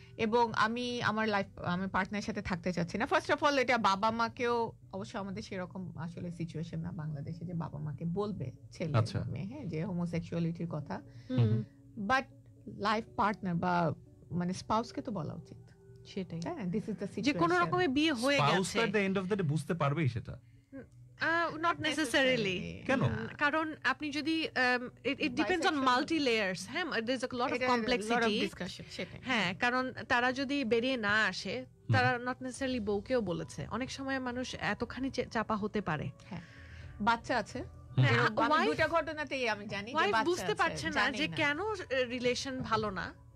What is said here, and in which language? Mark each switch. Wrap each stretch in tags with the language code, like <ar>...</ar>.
<bn>এবং আমি আমার লাইফ আমি পার্টনারের সাথে থাকতে চাচ্ছি না, ফার্স্ট অফ অল এটা বাবা মাকেও অবশ্য আমাদের সেরকম আসলে সিচুয়েশন না বাংলাদেশে যে বাবা মাকে বলবে ছেলে মেয়ে যে হোমোসেক্সুয়ালিটির কথা, বাট লাইফ পার্টনার বা মানে স্পাউসকে তো বলা উচিত সেটাই।</bn> <en>হ্যাঁ, this is the situation,</en> <bn>যে কোনো রকমে বিয়ে হয়ে গেছে, spouse</bn> <en>at the end of the day</en> <bn>বুঝতে পারবেই সেটা।</bn> <en>Not necessarily.</en> <bn>কারণ আপনি যদি</bn> <en>it depends on multi layers, there's a lot of complexity, lot of discussion.</en> <bn>হ্যাঁ, কারণ তারা যদি বেরিয়ে না আসে তারা</bn> <en>not necessarily</en> <bn>বউকেও বলেছে। অনেক সময় মানুষ এতখানি চাপা হতে পারে, বাচ্চা আছে, দুটো ঘটনাতেই আমি জানি ওয়াইফ বুঝতে পারছে না যে কেন রিলেশন ভালো না।</bn>